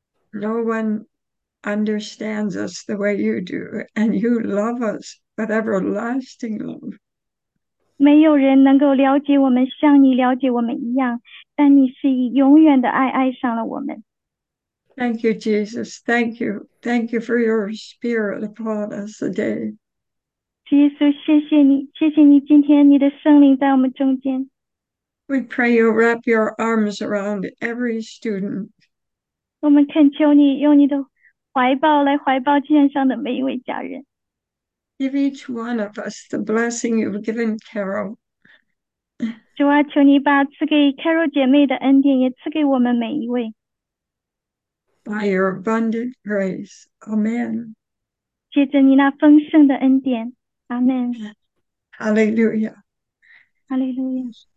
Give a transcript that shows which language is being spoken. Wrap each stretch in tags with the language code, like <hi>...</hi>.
<en>No one understands us the way you do, and you love us with everlasting love.</en> <zh>没有人能够了解我们像你了解我们一样，但你是以永远的爱爱上了我们。</zh> <en>Thank you, Jesus. Thank you. Thank you for your spirit upon us today.</en> <zh>耶稣，谢谢你，谢谢你，今天你的圣灵在我们中间。</zh> <en>We pray you wrap your arms around every student.</en> <zh>我们恳求你用你的怀抱来怀抱线上的每一位家人。</zh> <en>Give each one of us the blessing you've given Carol.</en> <zh>主啊，求你把赐给 Carol 姐妹的恩典也赐给我们每一位。</zh> <en>By your abundant grace, Amen.</en> <zh>借着你那丰盛的恩典。阿门，</zh> <en>Hallelujah.</en> <zh>哈利路亚。</zh>